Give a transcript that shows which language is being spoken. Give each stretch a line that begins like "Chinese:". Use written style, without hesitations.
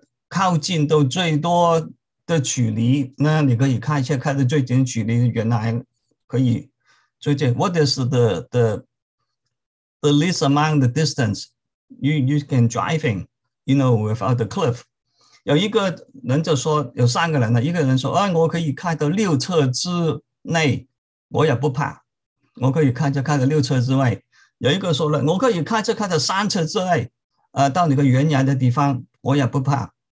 Chinese: 靠近到最多的距离，那你可以看一下开的最近距离，原来可以最近。
English: What is the least amount of distance you can driving, you know, without the cliff?
Chinese: 有一个人就说，有三个人呢，一个人说，啊，我可以开到六尺之内，我也不怕，我可以看着开到六尺之外。有一个说了，我可以开车开到三尺之内，到那个原来的地方，我也不怕。